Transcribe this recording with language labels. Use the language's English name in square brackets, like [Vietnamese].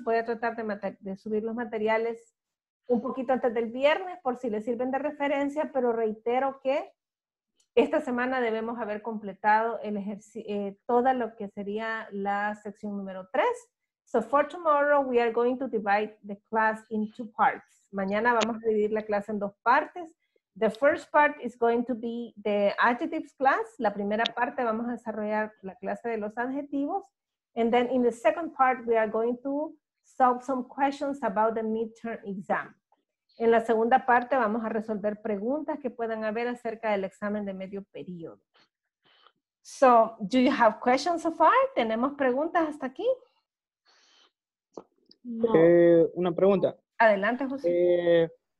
[Spanish] Voy a tratar de subir los materiales un poquito antes del viernes por si les sirven de referencia, pero reitero que esta semana debemos haber completado el toda lo que sería la sección número 3. [English] So for tomorrow, we are going to divide the class in 2 parts. [Spanish] Mañana vamos a dividir la clase en 2 partes. [English] The first part is going to be the adjectives class. [Spanish] La primera parte vamos a desarrollar la clase de los adjetivos. [English] And then in the second part, we are going to solve some questions about the midterm exam. [Spanish] En la segunda parte vamos a resolver preguntas que puedan haber acerca del examen de medio periodo. [English] So, do you have questions so far? [Spanish] ¿Tenemos preguntas hasta aquí? No. Una pregunta. Adelante, José.